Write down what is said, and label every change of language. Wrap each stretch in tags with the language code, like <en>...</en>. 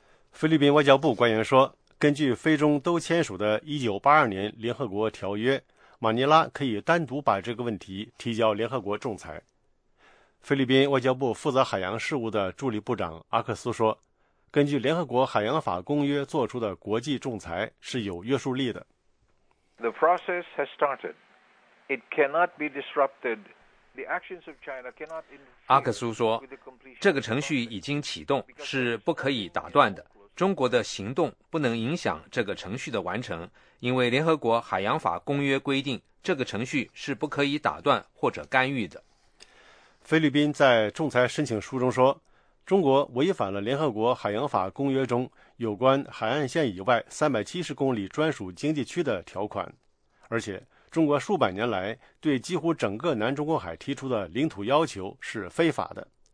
<zh>菲律宾外交部官员说，根据菲中都签署的1982年联合国条约，马尼拉可以单独把这个问题提交联合国仲裁。菲律宾外交部负责海洋事务的助理部长阿克苏说，根据联合国海洋法公约做出的国际仲裁是有约束力的。</zh> <en>The process has started. It cannot be disrupted. The actions of China cannot interfere.</en> <zh>阿克苏说，这个程序已经启动，是不可以打断的。中国的行动不能影响这个程序的完成，因为联合国海洋法公约规定这个程序是不可以打断或者干预的。菲律宾在仲裁申请书中说，中国违反了联合国海洋法公约中有关海岸线以外370公里专属经济区的条款，而且中国数百年来对几乎整个南中国海提出的领土要求是非法的。</zh>